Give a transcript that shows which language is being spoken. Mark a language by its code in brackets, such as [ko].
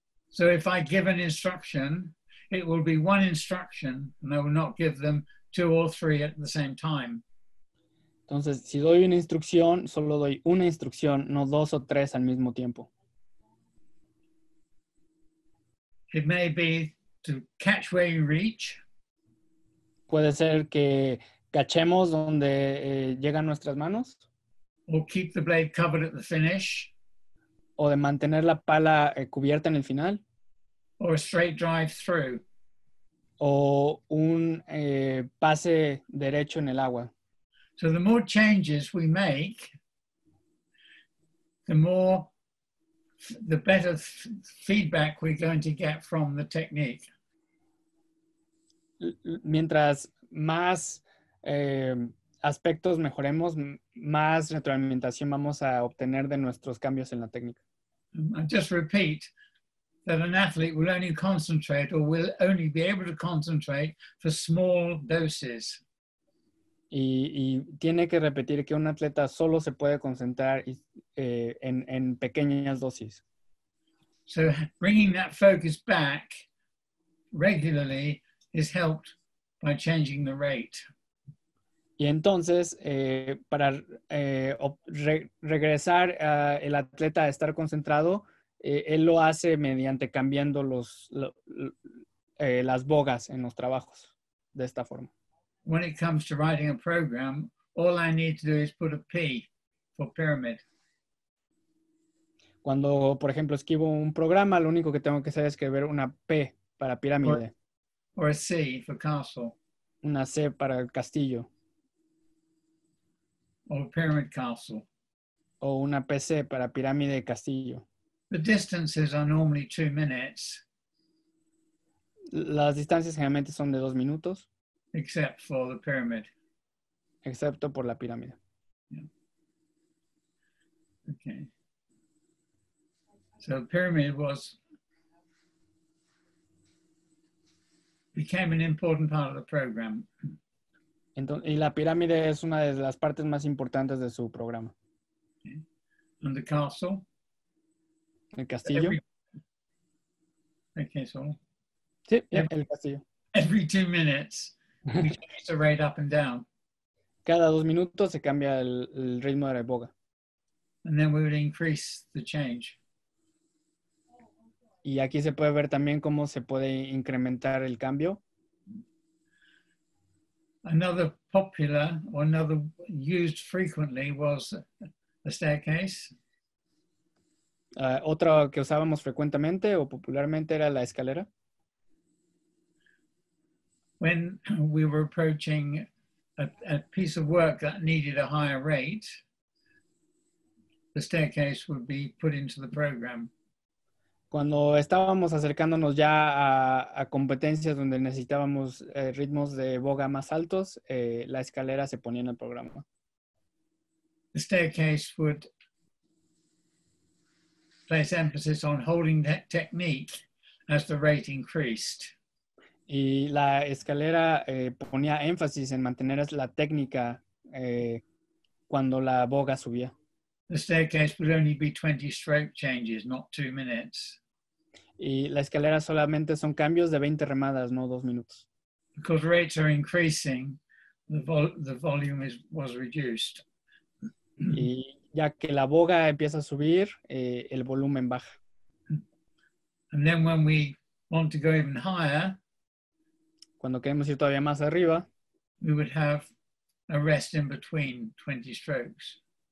[en] So if I give an instruction, it will be one instruction, and I will not give them two or three at the same time. [es] Entonces, si doy una instrucción, solo doy una instrucción, no dos o tres al mismo tiempo. [en] It may be to catch where you reach. [es] Puede ser que cachemos donde llegan nuestras manos. [en] Or keep the blade covered at the finish. [es] O de mantener la pala cubierta en el final. [en] Or a straight drive through. [es] O un pase derecho en el agua. [en] So the more changes we make, the better feedback we're going to get from the technique. [es] Mientras más aspectos mejoremos, más retroalimentación vamos a obtener de nuestros cambios en la técnica. [en] I just repeat that an athlete will only concentrate or will only be able to concentrate for small doses. [es] Y tiene que repetir que un atleta solo se puede concentrar en pequeñas dosis. [en] So bringing that focus back regularly is helped by changing the rate. [es] Y entonces, para regresar a el atleta a estar concentrado, él lo hace mediante cambiando las bogas en los trabajos de esta forma. [en] When it comes to writing a program, all I need to do is put a P for pyramid. [es] Cuando, por ejemplo, escribo un programa, lo único que tengo que hacer es escribir una P para pirámide. [en] Or a C for castle. [es] Una C para el castillo. [en] Or pyramid castle. [es] O una PC para pirámide de castillo. [en] The distances are normally 2 minutes. [es] Las distancias generalmente son de 2 minutos. [en] Except for the pyramid. [es] Excepto por la pirámide. [en] Yeah. Okay. So the pyramid became an important part of the program. [es] Entonces, y la pirámide es una de las partes más importantes de su programa. [en] Okay. And the castle. [es] El castillo. El castillo. [en] Every 2 minutes. It's a rate up and down. [es] Cada 2 minutos se cambia el ritmo de la boga. [en] And then we would increase the change. [es] Y aquí se puede ver también cómo se puede incrementar el cambio. [en] Another popular or another used frequently was a staircase. [es] Otra que usábamos frecuentemente o popularmente era la escalera. [en] When we were approaching a piece of work that needed a higher rate, the staircase would be put into the program. [es] Cuando estábamos acercándonos ya a competencias donde necesitábamos ritmos de boga más altos, la escalera se ponía en el programa. [en] The staircase would place emphasis on holding that technique as the rate increased. [es] Y la escalera ponía énfasis en mantener la técnica cuando la boga subía. [en] The staircase would only be 20 stroke changes, not 2 minutes. [es] Y la escalera solamente son cambios de 20 remadas, no 2 minutos. [en] Because rates are increasing, the volume was reduced. [es] Y ya que la boga empieza a subir, el volumen baja. [en] And then when we want to go even higher, [es] cuando queremos ir todavía más arriba, [en] we would have a rest in between 20 strokes.